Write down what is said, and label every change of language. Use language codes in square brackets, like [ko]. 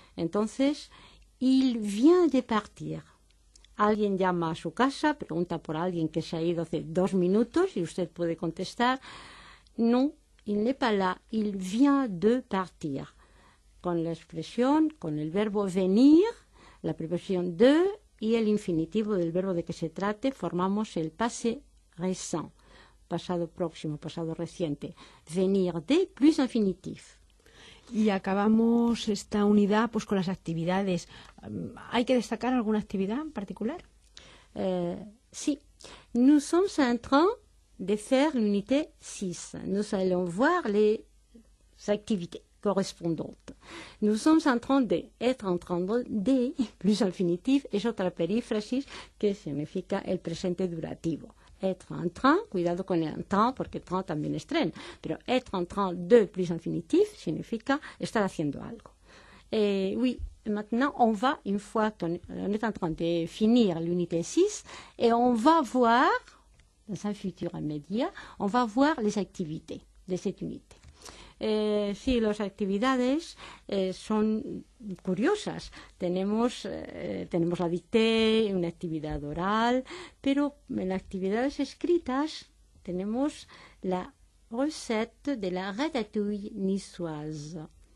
[es] Entonces, [fr] il vient de partir. [es] Alguien llama a su casa, pregunta por alguien que se ha ido hace 2 minutos y usted puede contestar, no, [fr] il n'est pas là, il vient de partir. [es] Con la expresión, con el verbo venir, la preposición de y el infinitivo del verbo de que se trate, formamos el passé récent, pasado próximo, pasado reciente. [fr] Venir de plus infinitif. [es] Y acabamos esta unidad pues con las actividades. ¿Hay que destacar alguna actividad en particular? Sí. [fr] Nous sommes en train de faire l'unité 6. Nous allons voir les activités. Correspondante. Nous sommes en train de, être en train de, plus infinitif, [es] es otra perífrasis que significa el presente durativo. Être en train, cuidado con el en train, porque train también es tren, pero [fr] être en train de, plus infinitif, [es] significa estar haciendo algo. [fr] Oui, maintenant, on va, une fois qu'on est en train de finir l'unité 6, et on va voir, dans un futur immédiat, on va voir les activités de cette unité. [es] Sí, las actividades son curiosas. Tenemos la dictée, una actividad oral, pero en las actividades escritas tenemos la recette de la ratatouille niçoise.